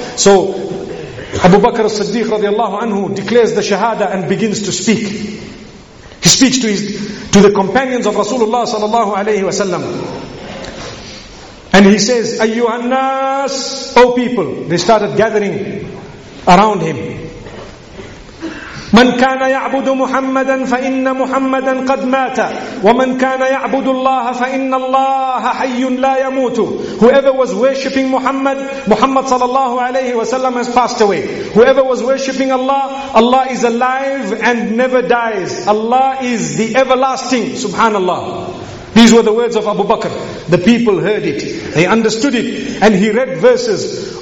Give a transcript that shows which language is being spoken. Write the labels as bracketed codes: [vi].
[en] So Abu Bakr as-Siddiq radiallahu anhu declares the shahada and begins to speak. He speaks to the companions of Rasulullah sallallahu alayhi wasallam. And he says, [ar] ayyuhan nas, [en] O people, they started gathering around him. [ar] من كان يعبد محمدا فإن محمدا قد مات ومن كان يعبد الله فإن الله حي لا يموت. [en] Whoever was worshipping Muhammad, Muhammad sallallahu alayhi wa sallam has passed away. Whoever was worshipping Allah, Allah is alive and never dies. Allah is the everlasting. Subhanallah. These were the words of Abu Bakr. The people heard it. They understood it. And he read verses.